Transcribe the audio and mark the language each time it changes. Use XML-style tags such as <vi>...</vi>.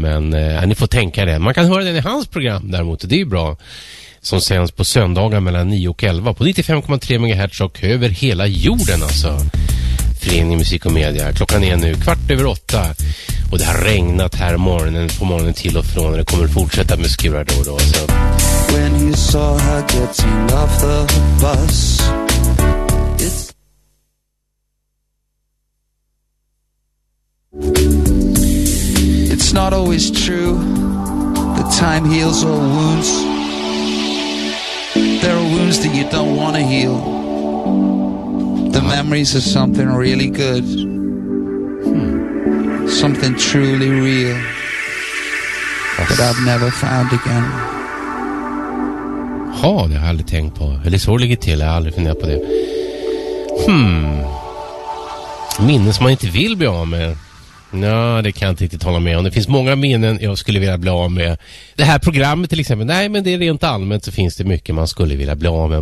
<sv>Men ni får tänka det. Man kan höra den i hans program däremot. Det är ju bra. Som sänds på söndagar mellan 9 och 11 på 95,3 MHz och över hela jorden alltså. Förening Musik och Media. Klockan är nu 7:15. Och det har regnat här morgonen på morgonen till och från. Och det kommer fortsätta med skurar då och då. Så.</sv> <en>When he saw her getting off the bus. It's... It's not always true. The time heals all wounds. There are wounds that you don't want to heal. The memories of something really good. Something truly real. That I've never found again.</en> <sv>Ja, det har jag aldrig tänkt på. Eller så ligger till, jag har aldrig funderat på det. Minnen som man inte vill bli av med. Nej, det kan jag inte riktigt hålla med om. Det finns många minnen jag skulle vilja bli av med. Det här programmet till exempel. Nej, men det är rent allmänt så finns det mycket man skulle vilja bli av med.</sv>